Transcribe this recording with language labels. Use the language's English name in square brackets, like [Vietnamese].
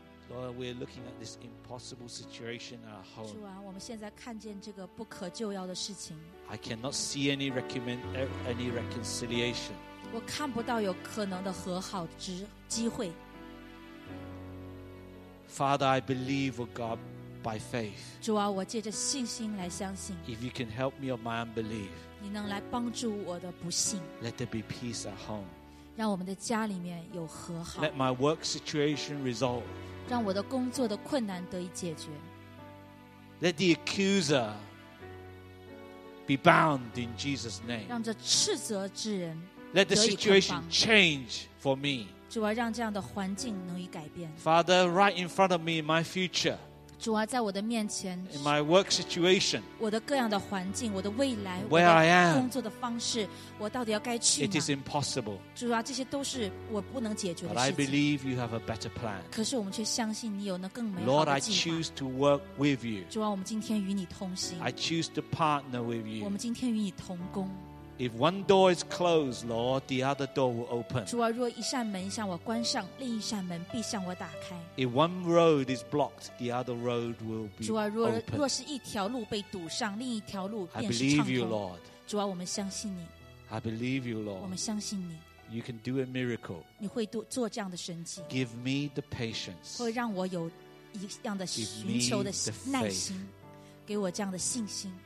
[English] Lord, we're looking at this impossible situation in our home. [Chinese] 主啊，我们现在看见这个不可救药的事情。 [English] I cannot see any reconciliation. [Chinese] 我看不到有可能的和好之机会。 [English] Father, I believe, O God. By faith, [Chinese] 主啊，我借着信心来相信。 [English] If you can help me of my unbelief, [Chinese] 你能来帮助我的不信。 [English] Let there be peace at home, [Chinese] 让我们的家里面有和好。 [English] Let my work situation resolve, [Chinese] 让我的工作的困难得以解决。 [English] Let the accuser be bound in Jesus' name, [Chinese] 让这斥责之人得以捆绑。 [English] Let the situation change for me, [Chinese] 主啊，让这样的环境能以改变。 [English] Father, right in front of me, my future. [Chinese] 主啊，在我的面前 [English] ，In my work situation, [Chinese] 我的各样的环境，我的未来 [English] ，Where I am, [Chinese] 工作的方式，我到底要该去哪 [English] ？It is impossible. [Chinese] 主啊，这些都是我不能解决的事 [English] 情。But I believe you have a better plan. [Chinese] 可是我们却相信你有那更美好的计划。 [English] Lord, I choose to work with you. [Chinese] 主啊，我们今天与你同行。 [English] I choose to partner with you. [Chinese] 我们今天与你同工。 [English] If one door is closed, Lord, the other door will open. [Chinese] 主啊，若一扇门向我关上，另一扇门必向我打开。 [English] If one road is blocked, the other road will be open. [Chinese] 主啊，若是一条路被堵上，另一条路便是畅通。 [English] I believe you, Lord. [Chinese] 主啊，我们相信你。 [English] I believe you, Lord. [Chinese] 我们相信你。 [English] You can do a miracle. [Chinese] 你会做这样的神迹。 [English] Give me the patience. [Chinese] 会让我有一样的寻求的耐心，给我这样的信心。